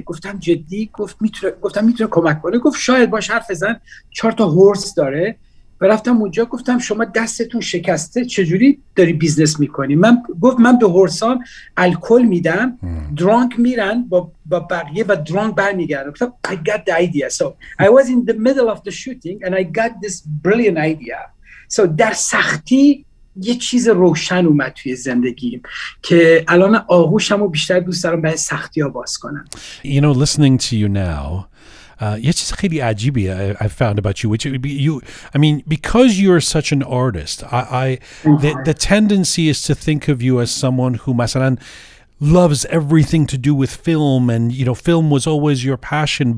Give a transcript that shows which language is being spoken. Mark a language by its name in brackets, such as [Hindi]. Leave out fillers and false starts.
[Persian] گفتم جدی؟ گفت میتونه. گفتم میتونه کمک کنه؟ گفت شاید باش حرف بزن، 4 تا هورس داره. رفتم اونجا گفتم شما دستتون شکسته چجوری داری بیزنس میکنی؟ من گفت من به هورسان الکل میدم، درانک میرن با بقیه و درانک برمیگردن. گفتم [English] I got the idea. So I was in the middle of the shooting and I got this brilliant idea. [Persian] So در سختی یه چیز روشن اومد توی زندگیم که الان آغوشمو بیشتر دوست دارم به سختی ها باز کنم. [English] You know, listening to you now, it's just really ajibi I found about you, which it would be you. I mean, because you're such an artist, the tendency is to think of you as someone who masalan loves everything to do with film, and you know, film was always your passion.